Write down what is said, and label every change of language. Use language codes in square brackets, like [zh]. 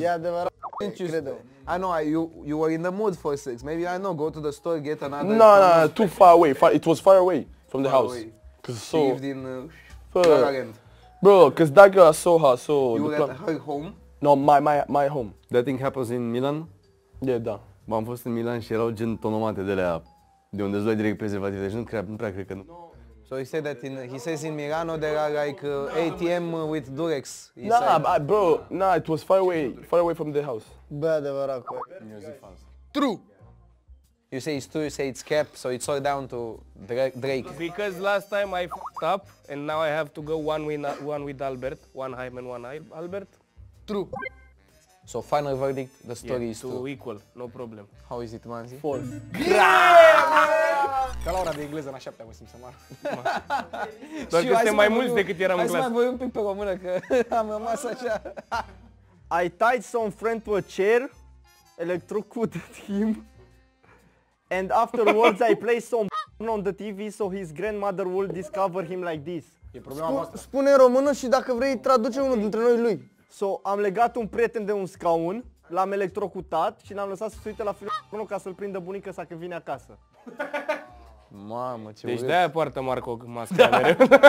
[en] yeah, they were didn't you say though? I know, you were in the mood for sex. Maybe, I know, go to the store, get another... No, too far away. It was far away from the house. Because so... Lived in... Far. Bro, because that girl I saw her, so... You were at her home? No, my home. That thing happens in Milan? Yeah, da. [ro] Bă, am fost în Milan și erau gen tonomate de alea, de unde îți luai direct prezervativ, deci nu prea cred că nu. [en] So he said that he says in Milano there are like ATM with Durex. Nah, it was far away from the house. [ro] Bă, adevărat, cu [en] true! You say it's true, you say it's cap, so it's all down to Drake. Because last time I f***ed up and now I have to go one with Albert, one Hyman, one Albert. True. So final verdict, the story is true. Yeah, equal, no problem. How is it, Manzi? False. [ro] Ca la ora de engleză, în a șaptea mă simt să mă... Doar că suntem mai mulți decât eram în clasă. Hai să mai voi un pic pe română, că am rămas așa. [en] I tied some friend to a chair, electrocuted him. And afterwards I play some on the TV so his grandmother will discover him like this. [ro] E problema voastră. Spune în română și dacă vrei traduce unul dintre noi lui. So, am legat un prieten de un scaun, l-am electrocutat și l-am lăsat să se uite la filmul ca să-l prindă bunica sa când vine acasă. Mamă, ce deci de-aia poartă Marco masca mereu.